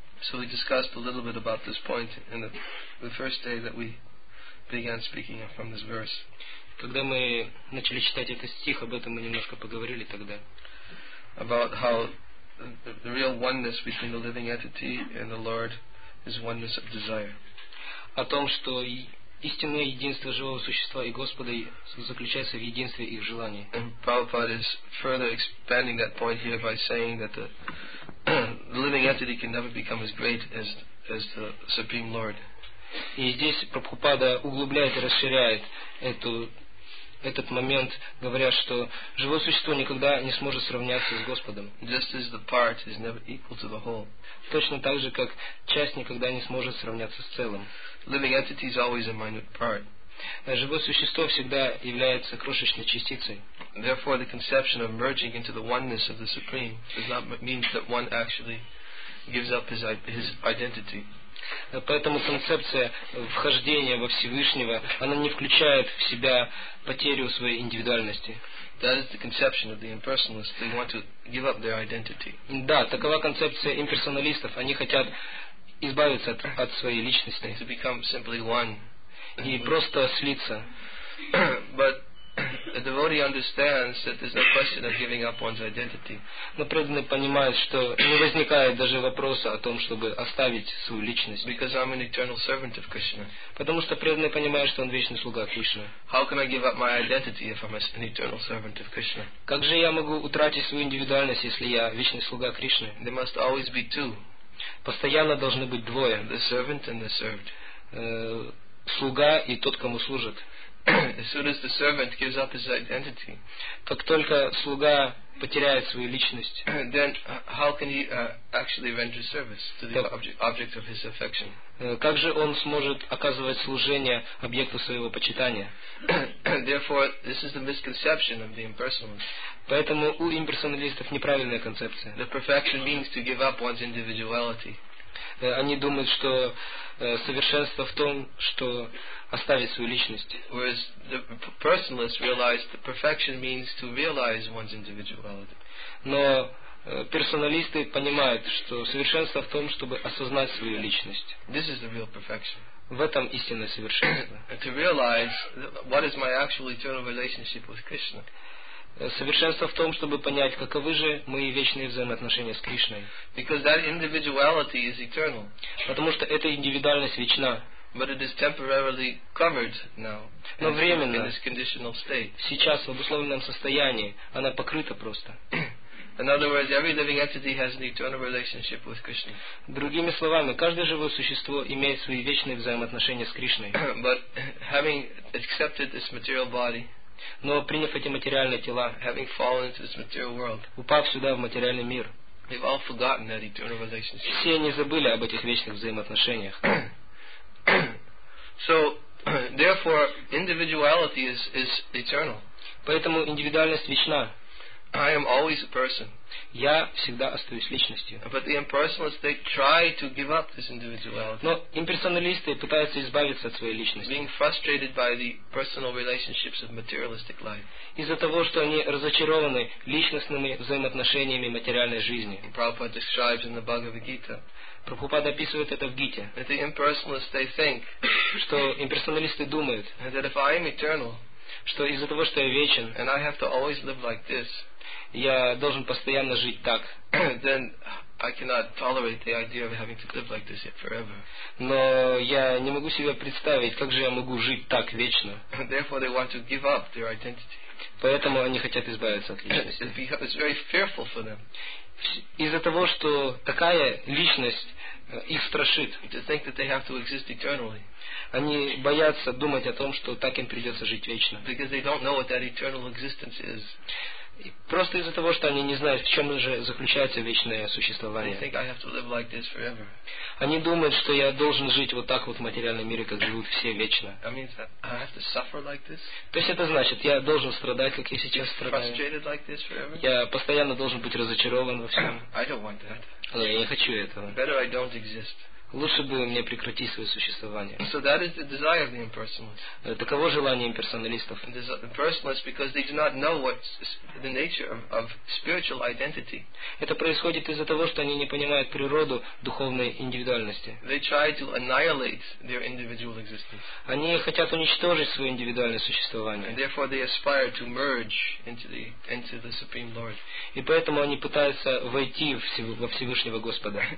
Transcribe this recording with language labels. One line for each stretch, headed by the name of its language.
English: So we discussed a little bit about this point in the first day that we began speaking from this verse.
Russian: Когда мы начали читать этот стих, об этом мы немножко поговорили тогда.
English: About how the real oneness between the living entity and the Lord is oneness of desire.
Russian: О том, что Истинное единство живого существа и Господа заключается в единстве их желаний.
English: And Prabhupada is further expanding that point here by saying that the living entity can never become as great as the Supreme Lord.
Russian: И здесь Прабхупада углубляет и расширяет этот момент, говоря, что живое существо никогда не сможет сравняться с Господом.
English: Just as the part is never equal to the whole.
Russian: Точно так же, как часть никогда не сможет сравняться с целым.
English: Living entity is always a minute part.
Russian: Живое существо всегда является крошечной частицей.
English: Therefore, the conception of merging into the oneness of the Supreme does not mean that one actually gives up his identity.
Russian: Поэтому концепция вхождения во Всевышнего, она не включает в себя потерю своей индивидуальности.
English: That is the conception of the impersonalists. They want to give up their identity.
Russian: Да, такова концепция имперсоналистов. Они хотят избавиться от своей личности.
English: To become simply one.
Russian: И просто слиться.
English: But the devotee understands that there's no question of giving up one's identity.
Russian: Но преданный понимает, что не возникает даже вопроса о том, чтобы оставить свою личность.
English: Because I'm an eternal servant of Krishna.
Russian: Потому что преданный понимает, что он вечный слуга Кришны.
English: How can I give up my identity if I'm an eternal servant of Krishna?
Russian: Как же я могу утратить свою индивидуальность, если я вечный слуга Кришны?
English: There must always be two.
Russian: Постоянно должны быть двое.
English: The servant and the served.
Russian: Слуга и тот, кому служит.
English: As soon as the servant gives up his identity,
Russian: как только слуга потеряет свою личность,
English: then how can he actually render service to the object of his affection?
Russian: Как же он сможет оказывать служение объекту своего почитания?
English: Therefore, this is the misconception of the impersonalists.
Russian: Поэтому у имперсоналистов неправильная концепция.
English: The perfection means to give up one's individuality.
Russian: Они думают, что совершенство в том, что оставить свою личность.
English: Whereas the personalists realize that perfection means to realize one's individuality.
Russian: Но персоналисты понимают, что совершенство в том, чтобы осознать свою личность.
English: This is the real perfection.
Russian: В этом истинное совершенство.
English: To realize what is my actual eternal relationship with Krishna.
Russian: Совершенство в том, чтобы понять, каковы же мои вечные взаимоотношения с Кришной.
English: Because that individuality is eternal.
Russian: Потому что эта индивидуальность вечна.
English: But it is temporarily covered now.
Russian: Но временно.
English: In this conditional state.
Russian: Сейчас в обусловленном состоянии она покрыта просто.
English: In other words, every living entity has an eternal relationship with Krishna.
Russian: Другими словами, каждое живое существо имеет свои вечные взаимоотношения с Кришной.
English: But having accepted this material body.
Russian: Но приняв эти материальные тела,
English: having fallen into this material world,
Russian: упав сюда в материальный мир,
English: they've all forgotten that eternal relationship.
Russian: Все они забыли об этих вечных взаимоотношениях.
English: So, therefore, individuality is eternal.
Russian: Поэтому индивидуальность вечна.
English: I am always a person.
Russian: Я всегда остаюсь личностью.
English: But the impersonalists, they try to give up this individuality.
Russian: Но имперсоналисты пытаются избавиться от своей личности.
English: Being frustrated by the personal relationships of materialistic life.
Russian: Из-за того, что они разочарованы личностными взаимоотношениями материальной жизни.
English: Prabhupada describes in the Bhagavad Gita.
Russian: Прабхупада описывает это в Гите.
English: The impersonalists, they think,
Russian: что имперсоналисты думают,
English: that if I am eternal,
Russian: что из-за того, что я вечен,
English: and I have to always live like this,
Russian: я должен постоянно жить так.
English: Then I cannot tolerate the idea of having to live like this yet forever.
Russian: Но я не могу себе представить, как же я могу жить так вечно.
English: Therefore, they want to give up their identity.
Russian: Поэтому они хотят избавиться от личности.
English: It's very fearful for them.
Russian: Из-за того, что такая личность их страшит.
English: To think that they have to exist eternally.
Russian: Они боятся думать о том, что так им придется жить вечно.
English: Because they don't know what that eternal existence is.
Russian: Просто из-за того, что они не знают, в чем же заключается вечное существование.
English: They think I have to live like this forever.
Russian: Они думают, что я должен жить вот так вот в материальном мире, как живут все вечно.
English: That means I have to suffer like this?
Russian: То есть это значит, я должен страдать, как я сейчас страдаю.
English: You're frustrated like this forever?
Russian: Я постоянно должен быть разочарован во всем.
English: I don't want that.
Russian: Но я не хочу этого.
English: Better I don't exist.
Russian: Лучше бы мне прекратить свое существование.
English: So that is the desire of the impersonalists.
Russian: Таково желание имперсоналистов.
English: Impersonalists because they do not know what's the nature of spiritual identity.
Russian: Это происходит из-за того, что они не понимают природу духовной индивидуальности.
English: They try to annihilate their individual existence.
Russian: Они хотят уничтожить свое индивидуальное существование.
English: And therefore they aspire to merge into the Supreme Lord.
Russian: И поэтому они пытаются войти во Всевышнего Господа.